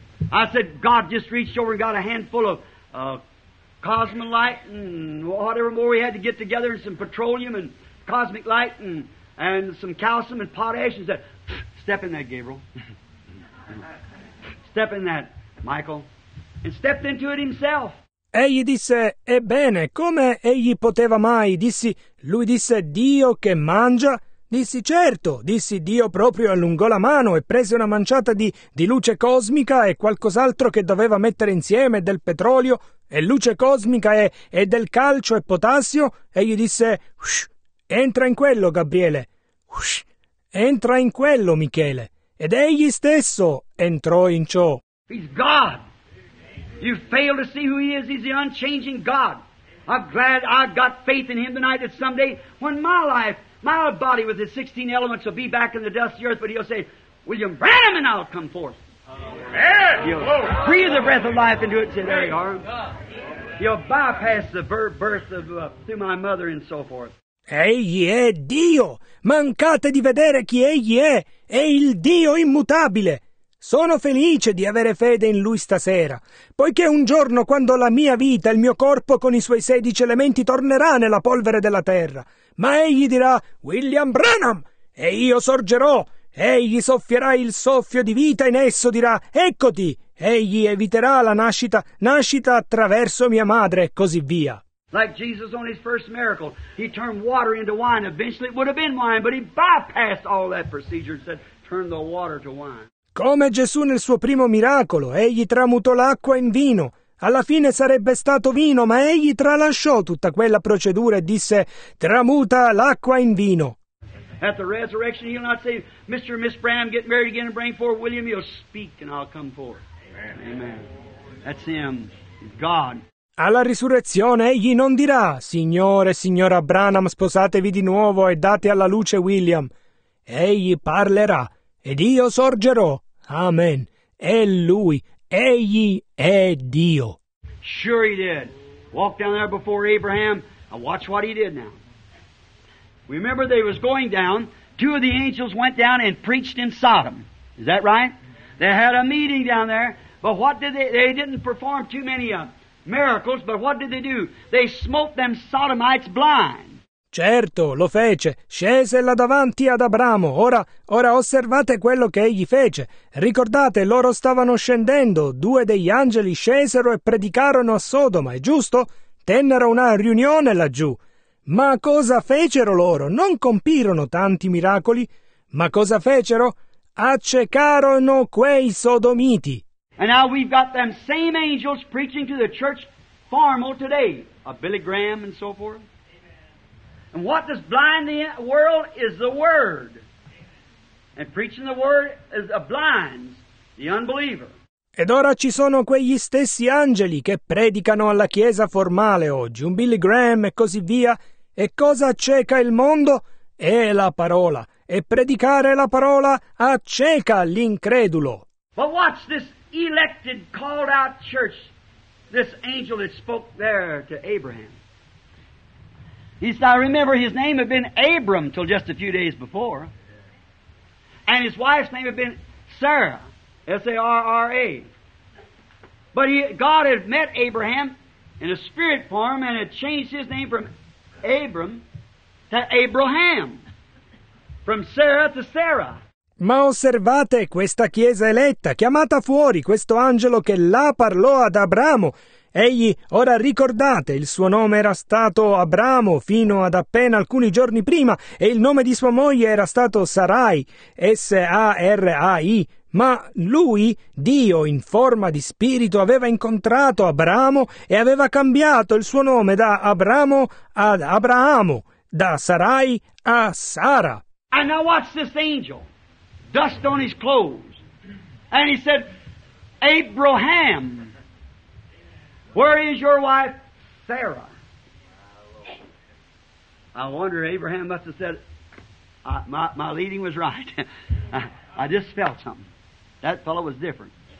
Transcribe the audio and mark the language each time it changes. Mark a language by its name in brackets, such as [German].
[English] I said, God just reached over and got a handful of cosmic light and whatever more we had to get together, and some petroleum and cosmic light and some calcium and potash, and said, step in that, Gabriel. Step in that, Michael. And stepped into it himself. [Italian] Egli disse, ebbene, come egli poteva mai? Dissi, lui disse, Dio che mangia? Dissi, certo, dissi, Dio proprio allungò la mano e prese una manciata di luce cosmica e qualcos'altro che doveva mettere insieme, del petrolio e luce cosmica e del calcio e potassio, e gli disse, entra in quello, Gabriele, entra in quello, Michele, ed egli stesso entrò in ciò. [English] He's God. You fail to see who he is. He's the unchanging God. I'm glad I've got faith in him tonight that someday when my life, my body with its 16 elements will be back in the dust of the earth, but he'll say, William Branham, and I'll come forth. Amen. He'll breathe the breath of life into it, and say, there you are. He'll bypass the birth of through my mother and so forth. [Italian] Egli è Dio. Mancate di vedere chi egli è. È il Dio immutabile. Sono felice di avere fede in lui stasera, poiché un giorno, quando la mia vita, il mio corpo con i suoi 16 elementi tornerà nella polvere della terra, ma egli dirà William Branham, e io sorgerò, egli soffierà il soffio di vita in esso, dirà eccoti, egli eviterà la nascita attraverso mia madre, e così via. [English] Like Jesus on his first miracle, he turned water into wine. Eventually it would have been wine, but he bypassed all that procedure and said, turn the water to wine. [Italian] Come Gesù nel suo primo miracolo, egli tramutò l'acqua in vino. Alla fine sarebbe stato vino, ma egli tralasciò tutta quella procedura e disse, tramuta l'acqua in vino. [English] At the resurrection he'll not say, Mr. and Miss Branham, get married again and bring forth William. He'll speak and I'll come forth. Amen. Amen. That's him, God. [Italian] Alla risurrezione egli non dirà, Signore, signora Branham, sposatevi di nuovo e date alla luce William. Egli parlerà. Ed io sorgerò. Amen. È lui. Egli è Dio. [English] Sure he did. Walked down there before Abraham. And watch what he did now. Remember they was going down. Two of the angels went down and preached in Sodom. Is that right? They had a meeting down there. But what did they... They didn't perform too many miracles. But what did they do? They smote them Sodomites blind. [Italian] Certo, lo fece. Scese là davanti ad Abramo. Ora osservate quello che egli fece. Ricordate, loro stavano scendendo. Due degli angeli scesero e predicarono a Sodoma, è giusto? Tennero una riunione laggiù. Ma cosa fecero loro? Non compirono tanti miracoli. Ma cosa fecero? Accecarono quei sodomiti. [English] And now we've got them same angels preaching to the church formal today. A Billy Graham and so forth. And what does blind the world is the word. And preaching the word is a blind, the unbeliever. [Italian] Ed ora ci sono quegli stessi angeli che predicano alla chiesa formale oggi, un Billy Graham e così via. E cosa acceca il mondo? È la parola. E predicare la parola acceca l'incredulo. [English] But watch this elected, called out church this angel that spoke there to Abraham. He said, I remember his name had been Abram till just a few days before. And his wife's name had been Sarah, S-A-R-R-A. But God had met Abraham in a spirit form and had changed his name from Abram to Abraham, from Sarah to Sarah. [Italian] Ma osservate questa chiesa eletta, chiamata fuori, questo angelo che là parlò ad Abramo. Egli, ora ricordate, il suo nome era stato Abramo fino ad appena alcuni giorni prima e il nome di sua moglie era stato Sarai, S-A-R-A-I. Ma lui, Dio, in forma di spirito, aveva incontrato Abramo e aveva cambiato il suo nome da Abramo ad Abramo, da Sarai a Sara. [English] And now watch this angel. Dust on his clothes. And he said, Abraham, where is your wife, Sarah? I wonder, Abraham must have said, my leading was right. I just felt something. That fellow was different.